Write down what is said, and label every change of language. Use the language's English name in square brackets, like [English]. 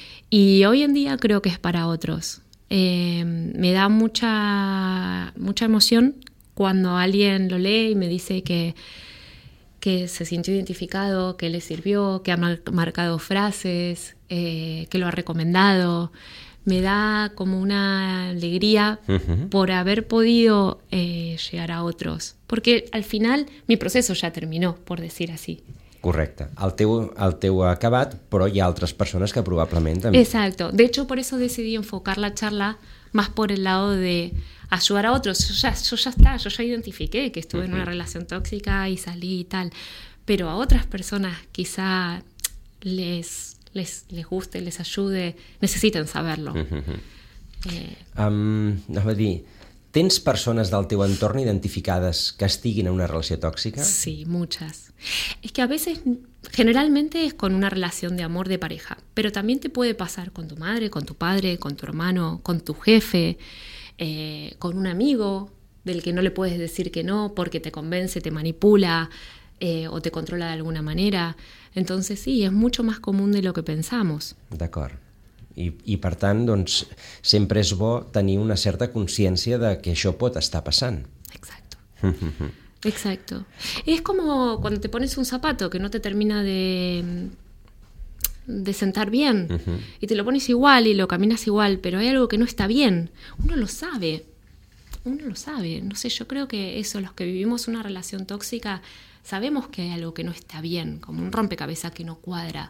[Spanish] Y hoy en día creo que es para otros. Me da mucha, mucha emoción cuando alguien lo lee y me dice que se sintió identificado, que le sirvió, que ha marcado frases, que lo ha recomendado. Me da como una alegría uh-huh. por haber podido llegar a otros. Porque al final mi proceso ya terminó, por decir así. [Catalan] Correcte. El teu ha acabat, però hi ha altres persones que probablement... també. [Spanish] Exacto. De hecho, por eso decidí enfocar la charla más por el lado de ayudar a otros. Yo ya identifiqué que estuve uh-huh. en una relación tóxica y salí y tal. Pero a otras personas quizá les guste, les ayude, necessiten saberlo. [Catalan] Uh-huh. Anava a dir, tens persones del teu entorn identificades que estiguin en una relació tòxica? [Spanish] Sí, muchas. Es que a veces, generalmente es con una relación de amor de pareja, pero también te puede pasar con tu madre, con tu padre, con tu hermano, con tu jefe, con un amigo del que no le puedes decir que no porque te convence, te manipula o te controla de alguna manera. Entonces sí, es mucho más común de lo que pensamos. [Catalan] D'acord. I per tant, doncs, sempre és bo tenir una certa consciència de que això pot estar passant. [Spanish] Exacto. Exacto. Es como cuando te pones un zapato que no te termina de sentar bien uh-huh. y te lo pones igual y lo caminas igual, pero hay algo que no está bien. Uno lo sabe. No sé, yo creo que eso, los que vivimos una relación tóxica, sabemos que hay algo que no está bien, como un rompecabezas que no cuadra.